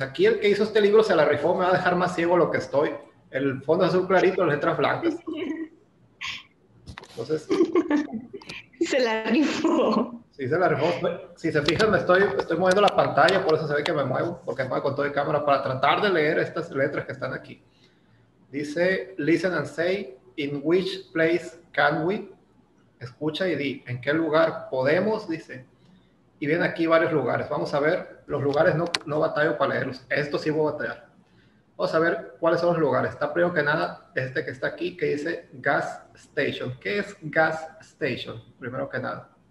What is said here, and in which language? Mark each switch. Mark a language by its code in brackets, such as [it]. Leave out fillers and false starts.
[es] Aquí el que hizo este libro se la rifó, me va a dejar más ciego lo que estoy. El fondo azul clarito, las letras blancas. Entonces, Se la rifó. si se la rifó, si se fijan, estoy moviendo la pantalla, por eso se ve que me muevo, porque me muevo con todo de cámara para tratar de leer estas letras que están aquí. [en] Dice, listen and say, in which place can we? [es] Escucha y di, ¿en qué lugar podemos? Dice. Y ven aquí varios lugares. Vamos a ver, los lugares no batallo para leerlos. Esto sí voy a batallar. Vamos a ver cuáles son los lugares. Está primero que nada este que está aquí, que dice Gas Station. ¿Qué es Gas Station? Primero que nada.